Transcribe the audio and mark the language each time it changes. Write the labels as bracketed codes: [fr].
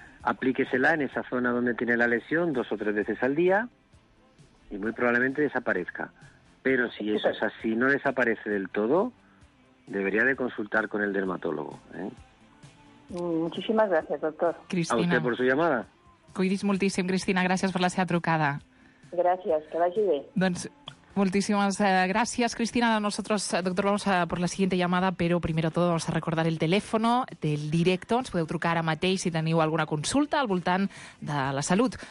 [es] Aplíquesela en esa zona donde tiene la lesión dos o tres veces al día y muy probablemente desaparezca. Pero si eso es así, no desaparece del todo, debería de consultar con el dermatólogo. Muchísimas gracias, doctor. Cristina. A usted por su llamada. [ca] Cuidis moltíssim, Cristina. Gràcies per la seva trucada. Gràcies. Que vagi bé. Doncs [es] Muchísimas gracias, Cristina. Nosotros, doctor, vamos a por la siguiente llamada, pero primero todo vamos a recordar el teléfono del directo. [ca] Ens podeu trucar ara mateix si teniu alguna consulta al voltant de la salut.